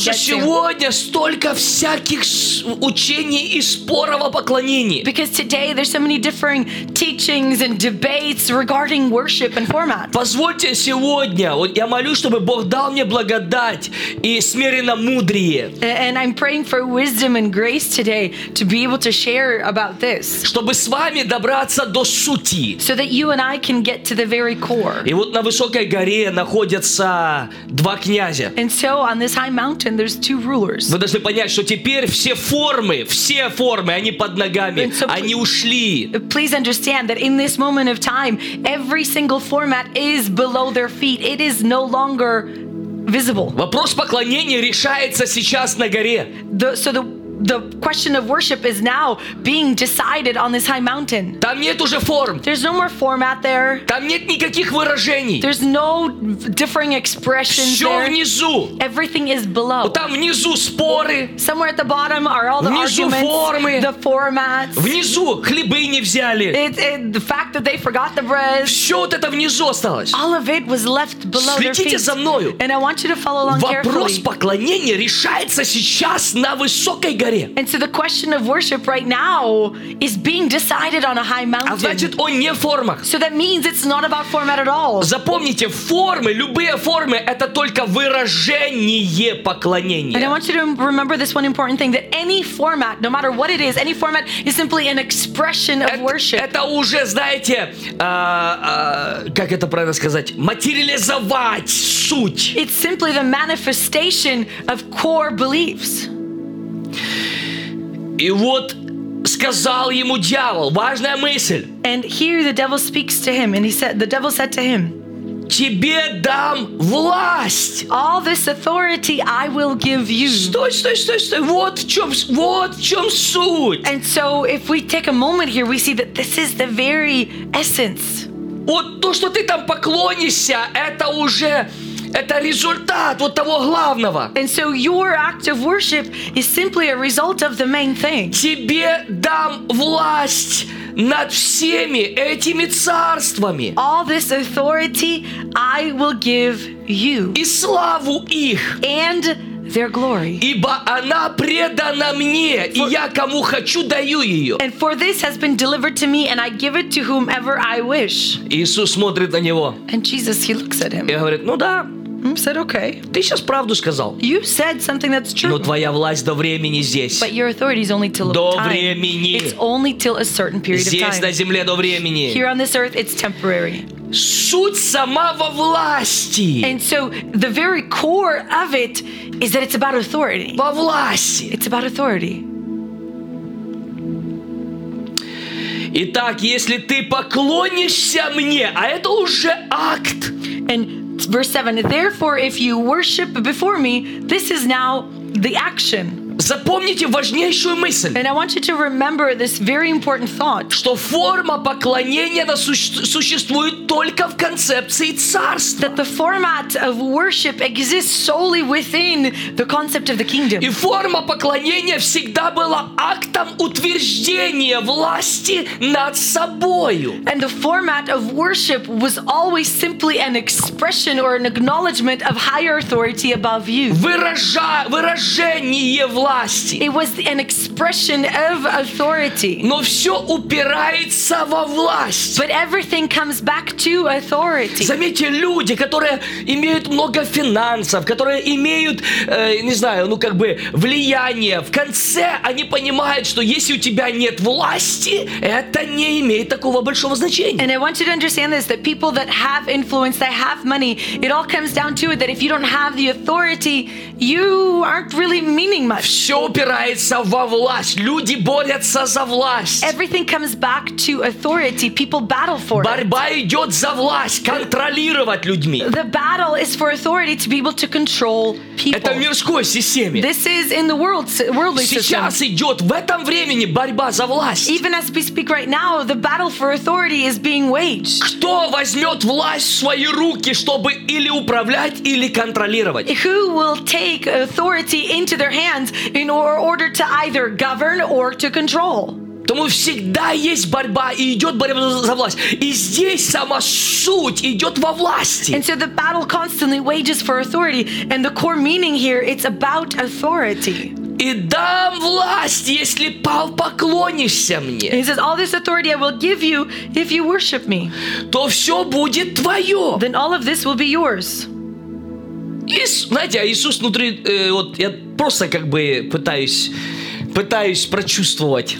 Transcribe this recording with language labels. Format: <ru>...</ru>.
<ru>Потому что сегодня столько всяких учений и споров о поклонении.</ru> <en>Because today there's so many differing teachings and debates regarding worship and format.</en> <ru>Позвольте сегодня, вот я молюсь, чтобы Бог дал мне благодать и смиренно мудрее.</ru> <en>And I'm praying for wisdom and grace today to be able to share about this.</en> <ru>Чтобы с вами добраться до сути.</ru> <en>So that you and I can get to the very core.</en> <ru>И вот на высокой горе находятся два князя.</ru> <en>And so on this high mountain there's two rulers.</en> <ru>Вы должны понять, что теперь все формы, они под ногами, so они ушли.</ru> <en>Please understand that in this moment of time, every single format is below their feet. It is no longer visible.</en> <ru>Вопрос поклонения решается сейчас на горе.</ru> <en>The question of worship is now being decided on this high mountain.</en> <ru>Там нет уже форм.</ru> <en>There's no more format there.</en> <ru>Там нет никаких выражений.</ru> <en>There's no differing expressions</en> <ru>Все</ru> <en>there.</en> <ru>Внизу.</ru> <en>Everything is below.</en> <ru>Вот там внизу споры.</ru> <en>Somewhere at the bottom are all the</en> <ru>внизу</ru> <en>arguments.</en> <ru>Формы.</ru> <en>The formats.</en> <ru>Внизу хлебы не взяли.</ru> <en>The fact that they forgot the bread.</en> <ru>Все вот это внизу осталось.</ru> <en>All of it was left below</en> <ru>Следите</ru> <en>their feet.</en> <ru>За мною.</ru> <en>And I want you to follow along</en> <ru>Вопрос</ru> <en>carefully.</en> <ru>Вопрос поклонения решается сейчас на высокой горе.</ru> <en>And so the question of worship right now is being decided on a high mountain.</en> <ru>А значит, он не в формах.</ru> <en>So that means it's not about format at all.</en> <ru>Запомните, формы, любые формы, это только выражение поклонения.</ru> <en>And I want you to remember this one important thing, that any format, no matter what it is, any format is simply an expression of worship.</en> <ru>Это уже, знаете, как это правильно сказать, материализовать суть.</ru> <en>It's simply the manifestation of core beliefs.</en> <ru>И вот сказал ему дьявол, важная мысль.</ru> <en>And here the devil speaks to him, and the devil said to him,</en> <ru>тебе дам власть.</ru> <en>All this authority I will give you.</en> <ru>Стой. Вот в чем суть.</ru> <en>And so if we take a moment here, we see that this is the very essence.</en> <ru>Вот то, что ты там поклонишься, это уже... Это результат вот того главного.</ru> <en>And so your act of worship is simply a result of the main thing.</en> <ru>Тебе дам власть над всеми этими царствами.</ru> <en>All this authority I will give you.</en> <ru>И славу их.</ru> <en>And their glory.</en> <ru>Ибо она предана мне, и я кому хочу даю ее.</ru> <en>And for this has been delivered to me, and I give it to whomever I wish.</en> <ru>Иисус смотрит на него.</ru> <en>And Jesus, he looks at him.</en> <ru>И говорит, ну да.</ru> <en>Said okay.</en> <ru>Ты сейчас правду сказал.</ru> <en>You said something that's true.</en> <ru>Но твоя власть до времени здесь.</ru> <en>But your authority is only till</en> <ru>до</ru> <en>time.</en> <ru>Времени.</ru> <en>It's only till a certain period</en> <ru>здесь,</ru> <en>of time.</en> <ru>Здесь на земле до времени.</ru> <en>Here on this earth, it's temporary.</en> <ru>Суть сама во власти.</ru> <en>And so the very core of it is that it's about authority.</en> <ru>Во власти.</ru> <en>It's about authority.</en> <ru>Итак, если ты поклонишься мне, а это уже акт.</ru> <en>And verse 7, therefore, if you worship before me, this is now the action.</en> <ru>Запомните важнейшую мысль.</ru> <en>And I want you to remember this very important thought.</en> <ru>Что форма поклонения существует только в концепции царства.</ru> <en>That the format of worship exists solely within the concept of the kingdom.</en> <ru>И форма поклонения всегда была актом утверждения власти над собою.</ru> <en>And the format of worship was always simply an expression or an acknowledgement of higher authority above you.</en> <ru>Выражение власти.</ru> <en>It was an expression of authority.</en> <ru>Но все упирается во власть.</ru> <en>But everything comes back to authority.</en> <ru>Заметьте, люди, которые имеют много финансов, которые имеют, влияние, в конце они понимают, что если у тебя нет власти, это не имеет такого большого значения.</ru> <en>And I want you to understand this, that people that have influence, they have money, it all comes down to it, that if you don't have the authority, you aren't really meaning much.</en> <ru>Все упирается во власть. Люди борются за власть.</ru> <en>Everything comes back to authority. People battle for it.</en> <ru>Борьба идет за власть, контролировать людьми.</ru> <en>The battle is for authority to be able to control people.</en> <ru>Это в мирской системе.</ru> <en>This is in the worldly system.</en> <ru>Сейчас идет в этом времени борьба за власть.</ru> <en>Even as we speak right now, the battle for authority is being waged.</en> <ru>Кто возьмет власть в свои руки, чтобы или управлять, или контролировать?</ru> <en>Who will take authority into their hands? In order to either govern or to control.</en> <ru>Тому всегда есть борьба и идет борьба за власть. И здесь сама суть идет во власти.</ru> <en>And so the battle constantly wages for authority, and the core meaning here it's about authority.</en> <ru>И дам власть, если поклонишься мне.</ru> <en>He says, all this authority I will give you if you worship me.</en> <ru>То все будет твое.</ru> <en>Then all of this will be yours.</en> <ru>Знаете, Иисус внутри, я просто пытаюсь прочувствовать.</ru>